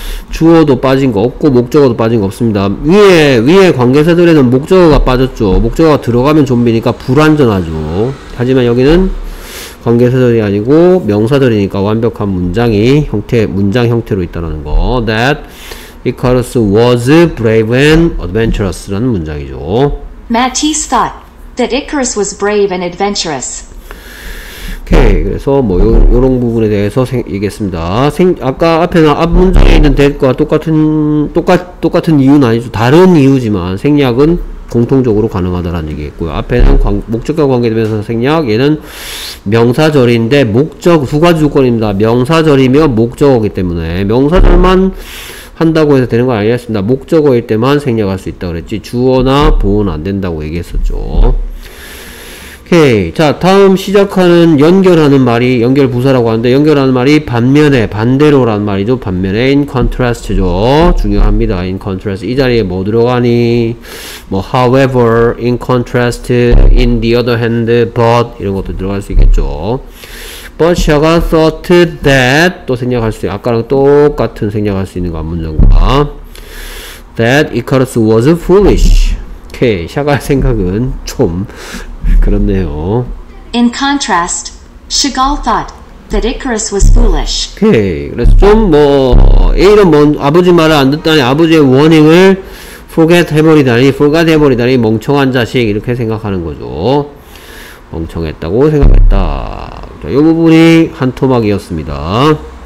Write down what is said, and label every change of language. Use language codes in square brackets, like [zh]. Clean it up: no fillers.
[ko] 주어도 빠진 거 없고 목적어도 빠진 거 없습니다. 위에 관계사들에는 목적어가 빠졌죠. 목적어가 들어가면 좀비니까 불완전하죠. 하지만 여기는 관계사들이 아니고 명사들이니까 완벽한 문장이 문장 형태로 있다는 거. [en] That Icarus was brave and adventurous [ko] 라는 문장이죠. [en] Matisse thought that Icarus was brave and adventurous. [ko] 오케이. 그래서 뭐 요런 부분에 대해서 얘기했습니다. 아까 앞에 앞 문장에 있는 that과 똑같은 이유는 아니죠. 다른 이유지만 생략은 공통적으로 가능하다라는 얘기했고요. 앞에는 목적과 관계되면서 생략, 얘는 명사절인데 목적 후가지 조건입니다. 명사절이면 목적어이기 때문에 명사절만 한다고 해서 되는 건 아니었습니다. 목적어일 때만 생략할 수 있다 그랬지 주어나 보어는 안 된다고 얘기했었죠. 오케이. 자, 다음 시작하는 연결하는 말이 연결 부사라고 하는데 연결하는 말이 반면에 반대로란 말이죠. 반면에 in contrast죠. 중요합니다. in contrast 이 자리에 뭐 들어가니 뭐 [en] however in contrast in the other hand [ko] but 이런 것도 들어갈 수 있겠죠. [en] but Chagall thought that [ko] 또 생략할 수 있, 아까랑 똑같은 생략할 수 있는 거 한 문장과 [en] that Icarus was foolish. [ko] 오케이. 샤갈 생각은 좀 그렇네요. [en] In contrast, Chagall thought that Icarus was foolish. [ko] 오케이. 그래서 좀 뭐 이런 뭐 아버지 말을 안 듣다니 아버지의 워닝을 forget 해버리다니 멍청한 자식 이렇게 생각하는 거죠. 멍청했다고 생각했다. 자, 이 부분이 한 토막이었습니다.